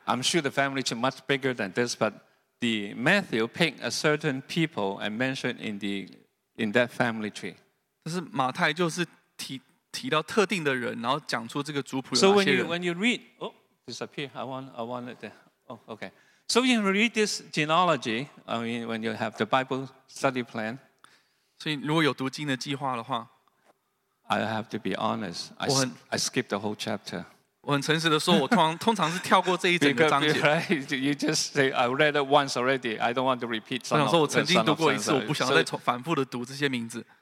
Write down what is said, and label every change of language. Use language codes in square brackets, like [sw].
[en] I'm sure the family tree is much bigger than this, but the Matthew picked a certain people and mentioned in that family tree. [zh] 但是马太就是提到特定的人，然后讲出这个族谱有哪些人。 [en] So when you read, oh, disappear. I want it there. Oh, okay. So when you read this genealogy, I mean, when you have the Bible study plan. [zh] 所以如果有读经的计划的话。 [en] I have to be honest. I skipped the whole chapter. [zh] 我很诚实的说，我通常是跳过这一整个章节。 [en] You just say I read it once already. I don't want to repeat. [zh] 我想说，我曾经读过一次，我不想再反复的读这些名字。